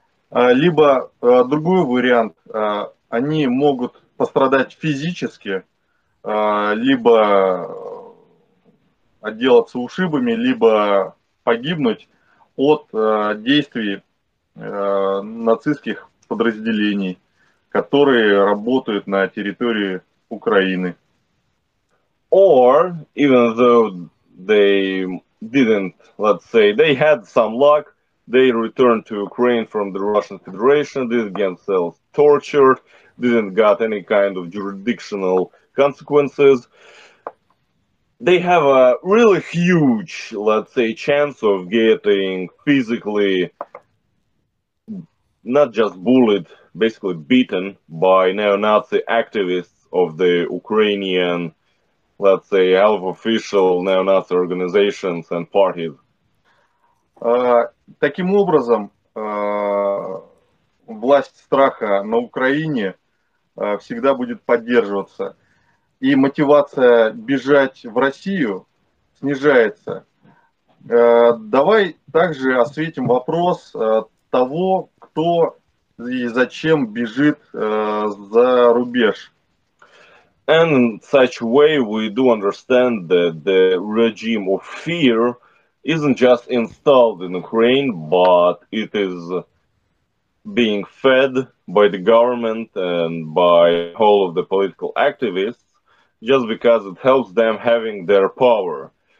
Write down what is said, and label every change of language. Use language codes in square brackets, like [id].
[ru] Либо другой вариант, они могут пострадать физически, либо отделаться ушибами, либо погибнуть от действий нацистских подразделений, которые работают на территории Украины. [en] Or, even though they didn't, let's say, they had some luck, they returned to Ukraine from the Russian Federation, didn't get themselves tortured, didn't get any kind of jurisdictional consequences. They have a really huge, let's say, chance of getting physically not just bullied, basically beaten by neo-Nazi activists of the Ukrainian, let's say, half-official neo-Nazi organizations and parties. [ru] Таким образом, власть страха на Украине всегда будет поддерживаться. И мотивация бежать в Россию снижается. Давай также осветим вопрос того, кто и зачем бежит за рубеж. [en] And in such way we do understand that the regime of fear isn't just installed in Ukraine, but it is being fed by the government and by all of the political activists, just because it helps them having their power.